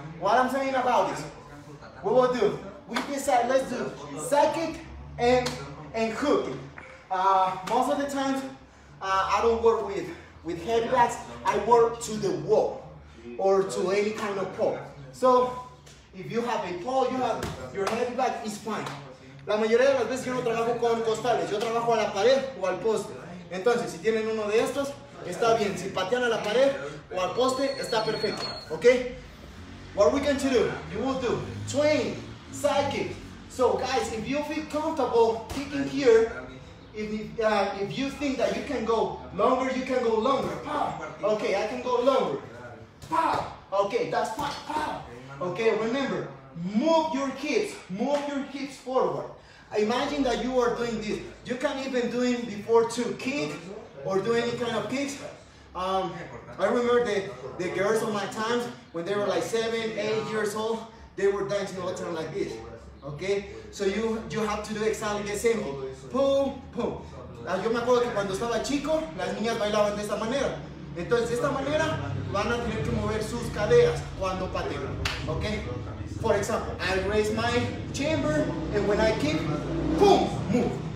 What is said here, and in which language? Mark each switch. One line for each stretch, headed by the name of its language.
English: What I'm saying about this? We will do, with this side, let's do side kick and hook. Most of the times, I don't work with heavy bags. I work to the wall or to any kind of pole. So, if you have a pole, you have your heavy bag, it's fine.
Spanish: La mayoría de las veces yo no trabajo con costales. Yo trabajo a la pared o al poste. Entonces, si tienen uno de estos, está bien. Si patean a la pared o al poste, está perfecto.
English: Okay? What are we going to do? You will do 20 side kick. So guys, if you feel comfortable kicking here, if you think that you can go longer, you can go longer. Pow. Okay, I can go longer. Pow. Okay, that's pow, pow. Okay, remember, move your hips forward. Imagine that you are doing this. You can even do it before to kick or do any kind of kicks. I remember the girls of my times, when they were like 7, 8 years old, they were dancing all the time like this. Okay? So you have to do exactly the same thing. Pum, pum.
Spanish: Yo me acuerdo que cuando estaba chico, las niñas bailaban de esta manera. Entonces, de esta manera, van a tener que mover sus caderas cuando pateen. Okay?
English: For example, I raise my chamber, and when I kick, pum, move.